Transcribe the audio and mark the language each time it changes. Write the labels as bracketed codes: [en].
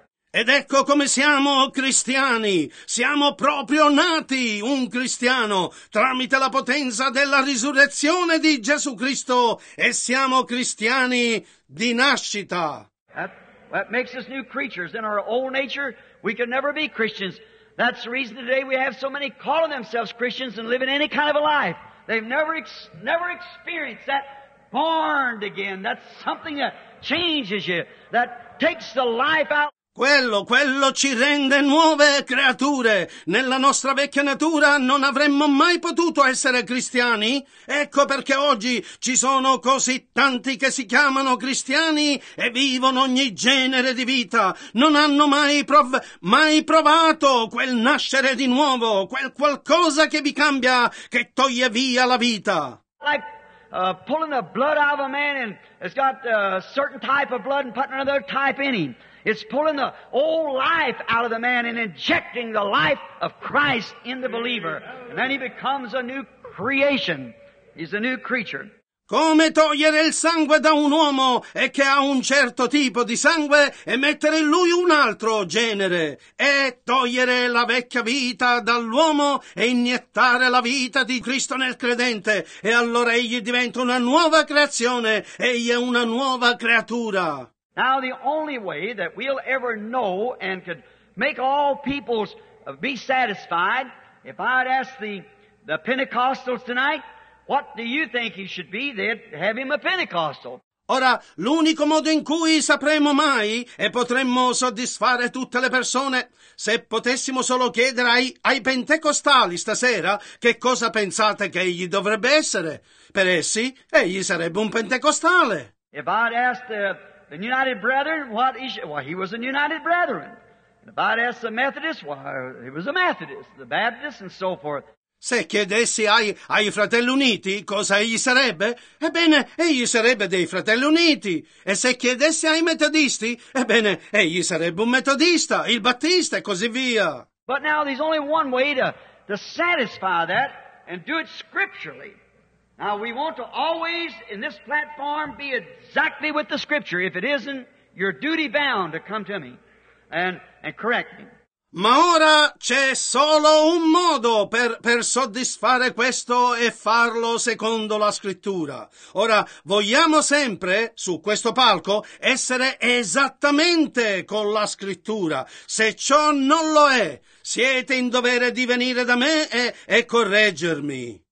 [it] Ed ecco come siamo cristiani. Siamo proprio nati un cristiano tramite la potenza della risurrezione di Gesù Cristo e siamo cristiani di nascita. [en] That makes us new creatures. In our old nature, we can never be Christians. That's the reason today we have so many calling themselves Christians and living any kind of a life. They've never experienced that born again. That's something that changes you, that takes the life out. [it] Quello ci rende nuove creature. Nella nostra vecchia natura non avremmo mai potuto essere cristiani. Ecco perché oggi ci sono così tanti che si chiamano cristiani e vivono ogni genere di vita. Non hanno mai provato quel nascere di nuovo, quel qualcosa che vi cambia, che toglie via la vita. [en] Like pulling the blood out of a man and it's got a certain type of blood and putting another type in him. It's pulling the old life out of the man and injecting the life of Christ in the believer. And then he becomes a new creation. He's a new creature. [it] Come togliere il sangue da un uomo e che ha un certo tipo di sangue e mettere in lui un altro genere. E togliere la vecchia vita dall'uomo e iniettare la vita di Cristo nel credente. E allora egli diventa una nuova creazione. Egli è una nuova creatura. [en] Now the only way that we'll ever know and could make all peoples be satisfied, if I'd ask the Pentecostals tonight, what do you think he should be, they'd have him a Pentecostal. [it] Ora, l'unico modo in cui sapremo mai e potremmo soddisfare tutte le persone, se potessimo solo chiedere ai pentecostali stasera che cosa pensate che egli dovrebbe essere, per essi, egli sarebbe un pentecostale. [en] If I'd ask the United Brethren, what is it? Well, he was a United Brethren. If I'd ask the Methodist, well, he was a Methodist, the Baptist, and so forth. [it] Se chiedessi ai Fratelli Uniti cosa egli sarebbe, ebbene, egli sarebbe dei Fratelli Uniti. E se chiedessi ai Metodisti, ebbene, egli sarebbe un Metodista, il Battista, e così via. [en] But now there's only one way to satisfy that and do it scripturally. Now we want to always in this platform be exactly with the scripture. If it isn't, you're duty bound to come to me and correct me. [it] Ma ora c'è solo un modo per soddisfare questo e farlo secondo la scrittura. Ora, vogliamo sempre, su questo palco, essere esattamente con la scrittura. Se ciò non lo è, siete in dovere di venire da me e correggermi.